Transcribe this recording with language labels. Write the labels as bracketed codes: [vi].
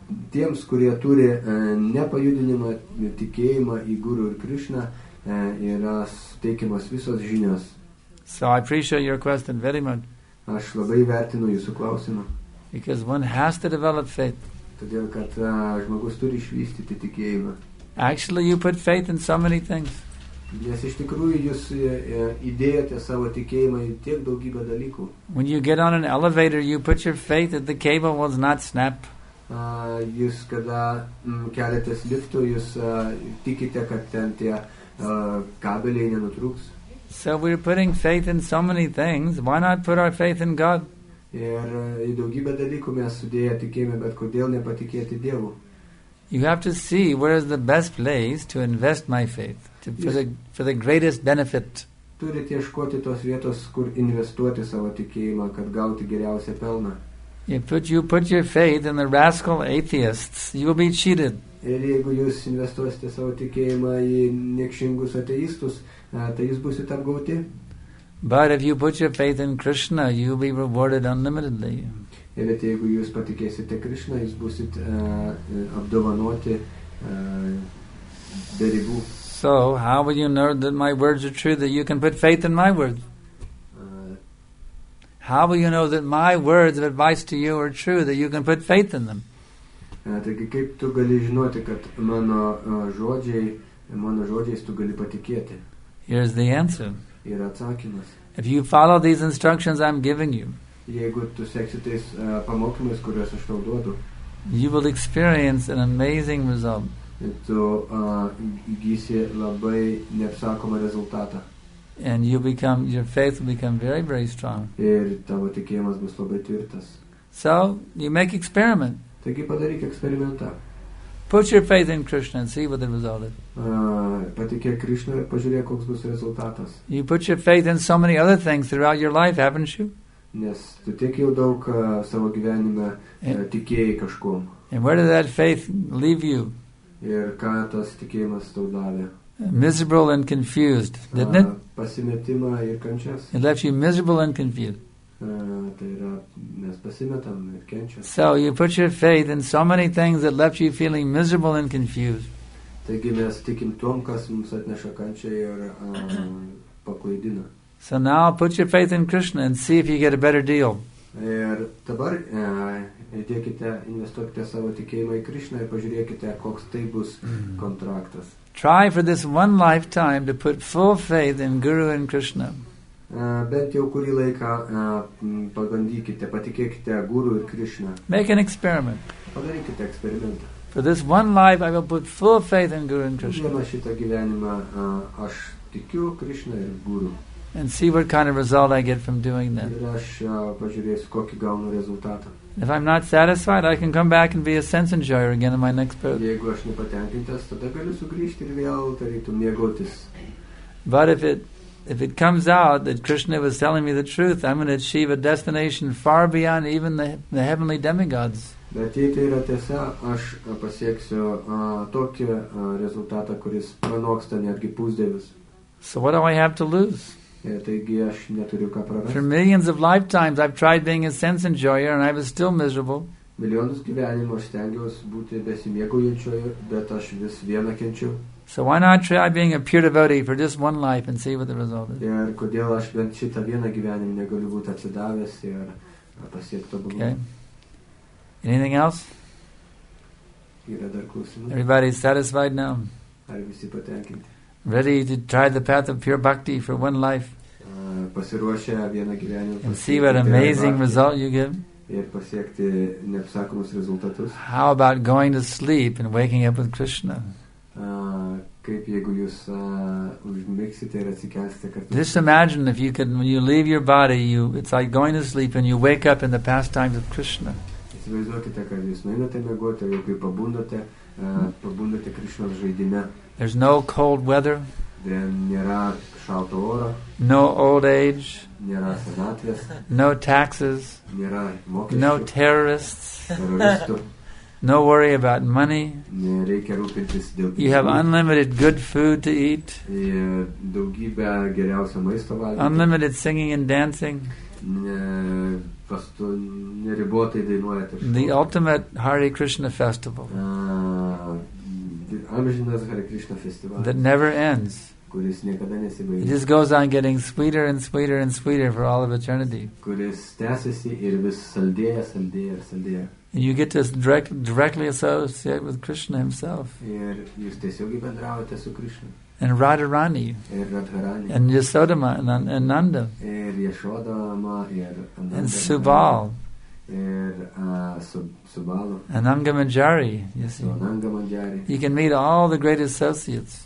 [lt] Tiems, kurie turi nepajudinimą tikėjimą į Guru ir Krishna, yra suteikiamas visos žinios. [en] So I appreciate your question very much. [lt] Aš labai vertinu jūsų klausimą. [en] Because one has to develop faith. [lt] Todėl, kad žmogus turi išvystyti tikėjimą. [en] Actually, you put faith in so many things. [lt] Nes iš tikrųjų jūs įdėjote savo tikėjimą į tiek daugybę dalykų. [en] When you get on an elevator, you put your faith that the cable will not snap. [lt] Jūs kada keletės liftų, jūs tikite, kad ten tie kabeliai nenutrūks. [en] So we're putting faith in so many things. Why not put our faith in God? [lt] Ir į daugybę dalykų mes sudėję tikėjimą, bet kodėl nepatikėti Dievu? [en] You have to see where is the best place to invest my faith for the greatest benefit. [lt] Turite ieškoti tos vietos, kur investuoti savo tikėjimą, kad gauti geriausią pelną. [en] You put your faith in the rascal atheists, you will be cheated. [lt] Ir jeigu jūs investuosite savo tikėjimą į niekšingus ateistus, tai jūs būsite apgauti. [en] But if you put your faith in Krishna, you will be rewarded unlimitedly. [lt] Ir jeigu jūs patikėsite Krishna, jūs būsite apdovanoti be ribų. [en] So, how will you know that my words are true, that you can put faith in my words? How will you know that my words of advice to you are true, that you can put faith in them? [lt] Taigi, kaip tu gali žinoti, kad mano žodžiais tu gali patikėti? [en] Here's the answer. [lt] Yra atsakymas. [en] If you follow these instructions I'm giving you, [lt] jeigu tu seksi tais pamokymais, kuriuos aš tau duodu, [en] you will experience an amazing result. [lt] Tu įgysi labai neapsakomą rezultatą. [en] And your faith will become very, very strong. [lt] Ir tavo tikėjimas bus labai tvirtas. [en] So, you make experiment. [lt] Taigi padaryk eksperimentą. [en] Put your faith in Krishna and see what the result is. [lt] Patikėk Krishna ir pažiūrėk, koks bus rezultatas. [en] You put your faith in so many other things throughout your life, haven't you? [lt] Nes tu tiek jau daug savo gyvenime tikėjai kažkom. [en] And where did that faith leave you? [lt] Ir ką tas tikėjimas tau davė? [en] Miserable and confused, didn't it? [lt] Pasimetimą ir kančias. [en] It left you miserable and confused. [lt] Tai yra, mes pasimetam ir kenčiam. [en] So you put your faith in so many things that left you feeling miserable and confused. [lt] Taigi mes tikim tom, kas mums atneša kančią ir paklaidina. [en] So now put your faith in Krishna and see if you get a better deal. [lt] Ir dabar investuokite savo tikėjimą į Krishna ir pažiūrėkite, koks tai bus kontraktas. [en] Try for this one lifetime to put full faith in Guru and Krishna. [lt] Bent jau kurį laiką pabandykite, patikėkite Guru ir Krishna. [en] Make an experiment. [lt] Padarykite eksperimentą. [en] For this one life I will put full faith in Guru and Krishna. [lt] Vieną šitą gyvenimą aš tikiu Krishna ir Guru. [en] And see what kind of result I get from doing that. [lt] Ir aš pažiūrėsiu, kokį gaunu rezultatą. [en] If I'm not satisfied, I can come back and be a sense enjoyer again in my next birth. [lt] Jeigu aš nepatenkintas, tada galiu sugrįžti ir vėl tarytum mėgautis. [en] But if it comes out that Krishna was telling me the truth, I'm going to achieve a destination far beyond even the heavenly demigods. [lt] Bet jei tai yra tiesa, aš pasieksiu tokį rezultatą, kuris pranoksta netgi pusdievius. [en] So what do I have to lose? [lt] Taigi aš neturiu ką prarasti. [en] For millions of lifetimes I've tried being a sense enjoyer and I was still miserable. [lt] Milijonus gyvenimų aš stengiuos būti besimėgaujančiu, bet aš vis viena kenčiu. [en] So why not try being a pure devotee for just one life and see what the result is? [lt] Ir kodėl aš bent šitą vieną gyvenimą negaliu būti atsidavęs ir pasiekti tobulumą. [en] Okay. Anything else? [lt] Yra dar klausimų? [en] Everybody satisfied now? [lt] Ar visi patenkinti? [en] Ready to try the path of pure bhakti for one life [lt] pasiruošę vieną gyvenimą [en] and see what amazing result you give? [lt] Ir pasiekti neapsakomus rezultatus. [en] How about going to sleep and waking up with Krishna? [lt] Kaip jeigu jūs užmigsite ir atsikelsite kartu? [en] Just imagine if you can, when you leave your body, it's like going to sleep and you wake up in the pastimes of Krishna. [lt] Įsivaizduokite, kad jūs nuėjote miegoti, jau kai pabundate Krishnos žaidime. [en] There's no cold weather. Then [lt] nėra šalto oro. [en] No old age. [lt] Nėra senatvės. [en] No taxes. [lt] Nėra mokesčių. [en] No terrorists. [lt] Teroristų. [en] No worry about money. [lt] Nereikia rūpintis dėl pinigų. [en] You have unlimited good food to eat. [lt] Daugybę geriausio maisto valgyti. [en] Unlimited singing and dancing. [lt] Neribotai dainuojate. [en] The ultimate Hare Krishna festival. [lt] Amžinas Hare Krishna festival. [en] That never ends. [lt] Kuris niekada nesibaigia. [en] It just goes on getting sweeter and sweeter and sweeter for all of eternity. [lt] Kuris tęsiasi ir vis saldėja, saldėja, saldėja. [en] And you get to directly associate with Krishna himself. [lt] Ir jūs tiesiogiai bendraujate su Krishna. [en] And Radharani. [lt] Ir Radharani. [en] And Yashodama and Nanda. [lt] Ir Yashodama ir Nanda. [en] And Subal. [lt] Ir Subalu. [en] And Angamanjari, you see. So, Angamanjari. You can meet all the great associates.